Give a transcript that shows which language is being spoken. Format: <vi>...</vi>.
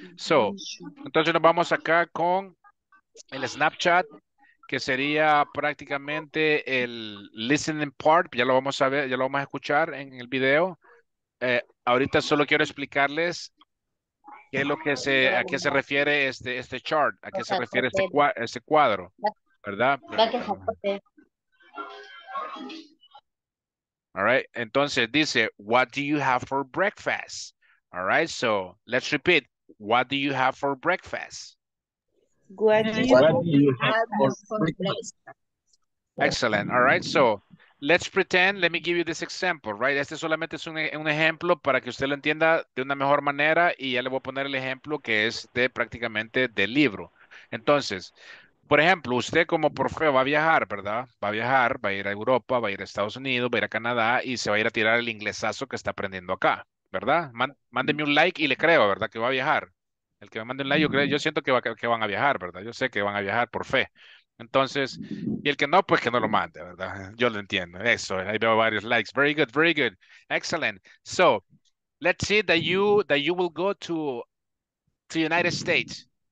<es>So, entonces nos vamos acá con el Snapchat, que sería prácticamente el listening part, ya lo vamos a ver, ya lo vamos a escuchar en el video. Ahorita solo quiero explicarles qué es lo que se, a qué se refiere este chart, a qué se refiere este cuadro, ¿verdad?</es> <en>All right,</en> <es>entonces dice,</es> <en>what do you have for breakfast? All right, so let's repeat, what do you have for breakfast? What do you have for breakfast? Excellent. All right. So let's pretend. Let me give you this example, right?</en> <es>Este solamente es un ejemplo para que usted lo entienda de una mejor manera. Y ya le voy a poner el ejemplo que es de prácticamente del libro. Entonces, por ejemplo, usted como profe va a viajar, ¿verdad? Va a viajar, va a ir a Europa, va a ir a Estados Unidos, va a ir a Canadá y se va a ir a tirar el inglesazo que está aprendiendo acá, ¿verdad? Mándeme un like y le creo, ¿verdad? Que va a viajar. El que me mande un like, yo siento que van a viajar, ¿verdad? Yo sé que van a viajar por fe. Entonces, y el que no, pues que no lo mande, ¿verdad? Yo lo entiendo. Eso, ahí veo varios likes.</es> <en>Very good. Excellent. So, let's see that you will go to the United States.</en>